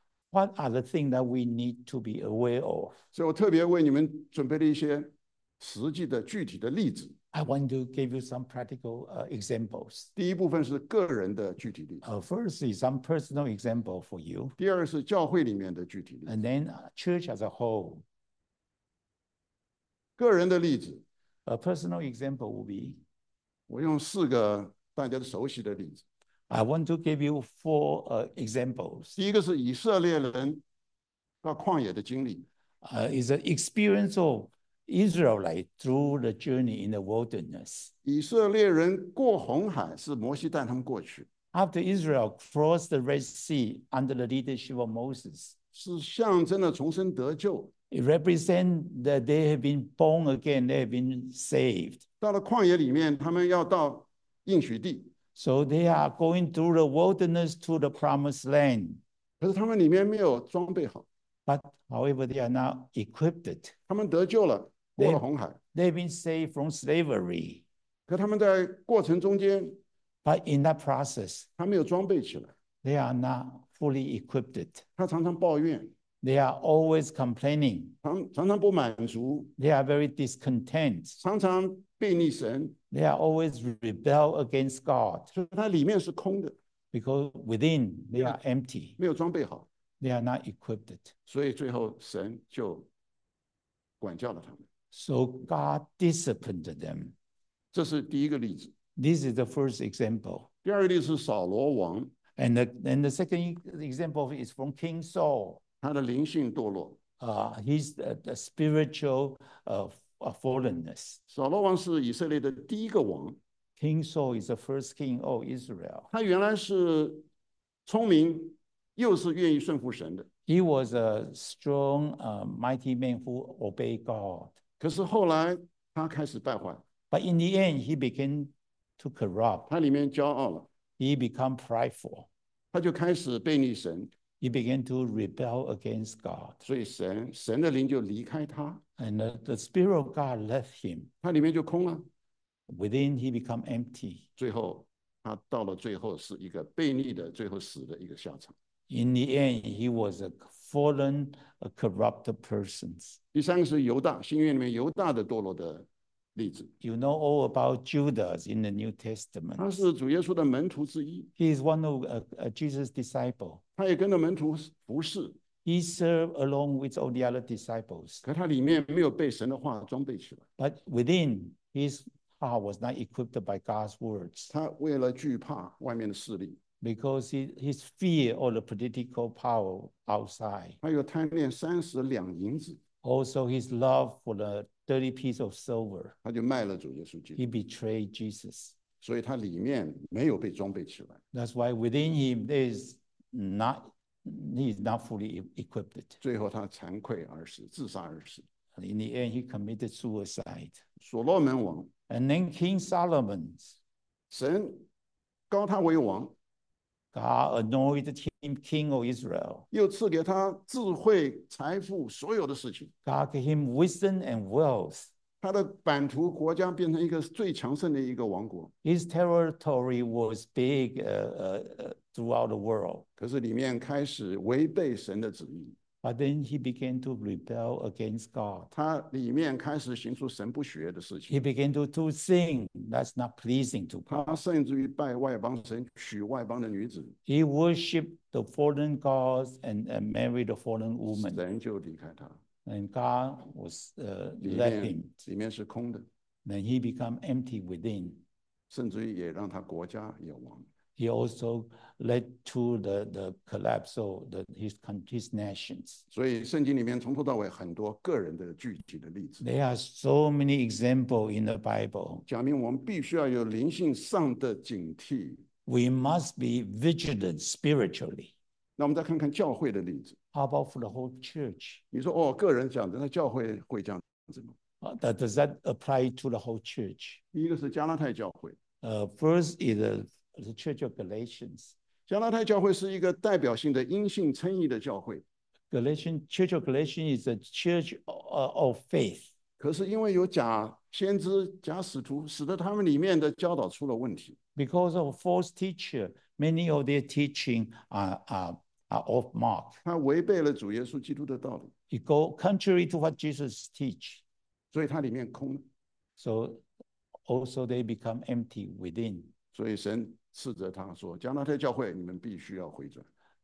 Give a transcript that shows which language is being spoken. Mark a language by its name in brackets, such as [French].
[English] What are the things that we need to be aware of? [Chinese] 所以我特别为你们准备了一些实际的具体的例子。 [English] I want to give you some practical examples. [Chinese] 第一部分是个人的具体例子。 [English] First is some personal example for you. [Chinese] 第二是教会里面的具体例子。 [English] And then church as a whole. [Chinese] 个人的例子。 [English] A personal example will be. [Chinese] 我用四个大家熟悉的例子。 [English] I want to give you four examples. [Chinese] 第一个是以色列人到旷野的经历。 [English] Is an experience of Israelite through the journey in the wilderness. [Chinese] 以色列人过红海是摩西带他们过去。 [English] After Israel crossed the Red Sea under the leadership of Moses. [Chinese] 是象征了重生得救。 [English] It represents that they have been born again, they have been saved. [Chinese] 到了旷野里面，他们要到应许地。 [English] So they are going through the wilderness to the promised land. [Chinese] 可是他们里面没有装备好。 [English] But however, they are not equipped. [Chinese] 他们得救了，过了红海。 [English] They've been saved from slavery. [Chinese] 可他们在过程中间。 [English] But in that process, [Chinese] 他没有装备起来。 [English] They are not fully equipped. [Chinese] 他常常抱怨。 [English] They are always complaining. [Chinese] 常常不满足。 [English] They are very discontent. [Chinese] 常常悖逆神。 [English] They are always rebel against God. [Chinese] 它里面是空的。 [English] Because within they are empty. [Chinese] 没有装备好。 [English] They are not equipped. [Chinese] 所以最后神就管教了他们。 [English] So God disciplined them. [Chinese] 这是第一个例子。 [English] This is the first example. [Chinese] 第二个例子是扫罗王。 [English] And the second example is from King Saul. [Chinese] 他的灵性堕落。 [English] He's the spiritual fallenness. [Chinese] 扫罗王是以色列的第一个王。 [English] King Saul is the first king of Israel. [Chinese] 他原来是聪明，又是愿意顺服神的。 [English] He was a strong, mighty man who obeyed God. [Chinese] 可是后来他开始败坏。 [English] But in the end, he began to corrupt. [Chinese] 他里面骄傲了。 [English] He became prideful. [Chinese] 他就开始悖逆神。 [English] He began to rebel against God. [Chinese] 所以神的灵就离开他。 [English] And the Spirit of God left him. [Chinese] 他里面就空了。 [English] Within he became empty. [Chinese] 最后他到了最后是一个悖逆的最后死的一个下场。 [English] In the end, he was a fallen, a corrupt person. [Chinese] 第三个是犹大，新约里面犹大的堕落的例子。 [English] You know all about Judas in the New Testament. [Chinese] 他是主耶稣的门徒之一。 [English] He is one of Jesus' disciple. [Chinese] 他也跟着门徒服侍。 [English] He served along with all the other disciples. [Chinese] 可他里面没有被神的话装备起来。 [English] But within his heart was not equipped by God's words. [Chinese] 他为了惧怕外面的势力。 [English] Because his fear of the political power outside. [Chinese] 他又贪恋30两银子。 [English] Also his love for the 30 piece of silver. [Chinese] 他就卖了主耶稣基督。 [English] He betrayed Jesus. [Chinese] 所以他里面没有被装备起来。 [English] That's why within him there is not, he is not fully equipped. [Chinese] 最后他惭愧而死，自杀而死。 [English] In the end, he committed suicide. [Chinese] 所罗门王。 [English] And then King Solomon. [Chinese] 神高他为王。 [English] God anointed him king of Israel. [Chinese] 又赐给他智慧、财富、所有的事情。 [English] God gave him wisdom and wealth. [Chinese] 他的版图国家变成一个最强盛的一个王国。 [English] His territory was big throughout the world. [Chinese] 可是里面开始违背神的旨意。 [English] But then he began to rebel against God. [Chinese] 他里面开始行出神不喜悦的事情。 [English] He began to sin that's not pleasing to God. [Chinese] 他甚至于拜外邦神，娶外邦的女子。 [English] He worshipped the foreign gods and married the foreign woman. [Chinese] 神就离开他。 [English] And God was left him. [Chinese] 里面是空的。 [English] Then he became empty within. [Chinese] 甚至于也让他国家也亡。 [English] He also led to the collapse of his nations. [Chinese] 所以圣经里面从头到尾很多个人的具体的例子。 [English] There are so many examples in the Bible. [Chinese] 讲明我们必须要有灵性上的警惕。 [English] We must be vigilant spiritually. [Chinese] 那我们再看看教会的例子。 [English] How about for the whole church? [Chinese] 你说哦，个人讲的，那教会会这样子吗？ [English] Does that apply to the whole church? [Chinese] 第一个是加拉太教会。 [English] First is the Church of Galatians. [Chinese] 加拉太教会是一个代表性的因信称义的教会。 [English] Church of Galatians is a church of faith. [Chinese] 可是因为有假先知、假使徒，使得他们里面的教导出了问题。 [English] Because of false teacher, many of their teaching are off mark. [Chinese] 他违背了主耶稣基督的道理。 [English] It go contrary to what Jesus teach. [Chinese] 所以他里面空。 [English] So also they become empty within. [Chinese] 所以神斥责他说：“加拉太教会，你们必须要回转。”